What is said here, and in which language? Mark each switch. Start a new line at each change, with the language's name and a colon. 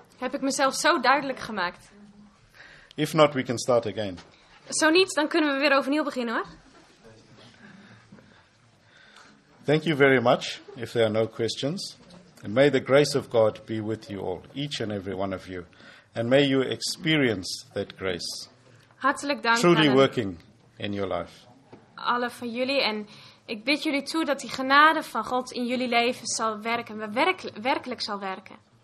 Dutch: Heb ik mezelf zo duidelijk gemaakt?
English: If not, we can start again.
Dutch: Zo niet, dan kunnen we weer overnieuw beginnen, hoor.
English: Thank you very much. If there are no questions, and may the grace of God be with you all, each and every one of you, and may you experience that grace.
Dutch: Hartelijk dank.
English: Truly working in your life.
Dutch: Alle van jullie en. Ik bid jullie toe dat die genade van God in jullie leven zal werken. Werkelijk zal werken.